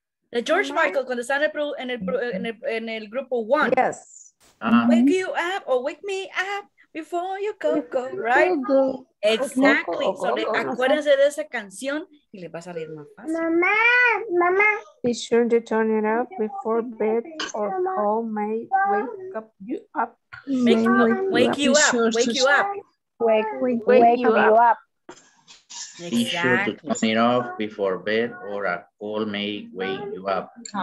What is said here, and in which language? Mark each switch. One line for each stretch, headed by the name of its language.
Spanish: De George Michael cuando está en el grupo One.
English: Yes. Wake you up or wake me up before you go go, right? Exactly.
Spanish: So acuérdense de esa canción y le va a salir más fácil. Mamá, mamá.
English: Be sure to turn it off before bed or all may wake up you up. Wake you up. Exactly. Be sure to turn it off before bed or a call may wake you up.